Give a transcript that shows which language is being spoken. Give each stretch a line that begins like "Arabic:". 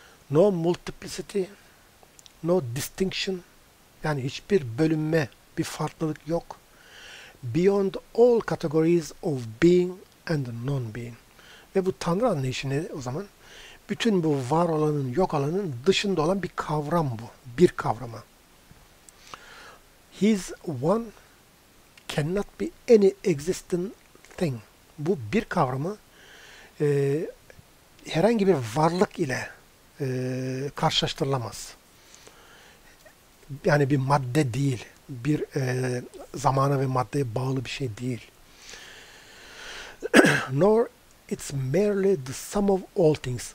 English: No multiplicity, no distinction,
Turkish: yani hiçbir bölünme, bir farklılık yok.
English: Beyond all categories of being and non-being.
Turkish: Ve bu Tanrı anlayışı ne o zaman? Bütün bu var olanın, yok olanın dışında olan bir kavram bu, bir kavramı.
English: His one cannot be any existing thing.
Turkish: Bu bir kavramı herhangi bir varlık ile karşılaştırılamaz. Yani bir madde değil. Bir zamana ve maddeye bağlı bir şey değil.
English: Nor it's merely the sum of all things.